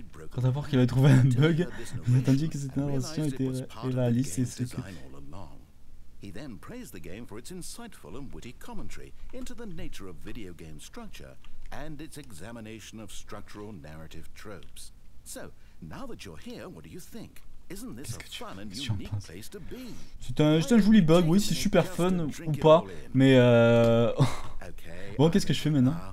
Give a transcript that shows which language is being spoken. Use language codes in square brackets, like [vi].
[fr] Quand d'abord qu'il avait trouvé un bug, il attendait que cette narration était réaliste et ce que... [en] He then praised the game for its insightful and witty commentary into the nature of video game structure and its examination of structural narrative tropes. So, now that you're here, what do you think? Isn't this a fun and unique place to be? [fr] C'est un joli bug, oui, c'est super fun ou pas, mais okay, bon, qu'est-ce que je fais maintenant?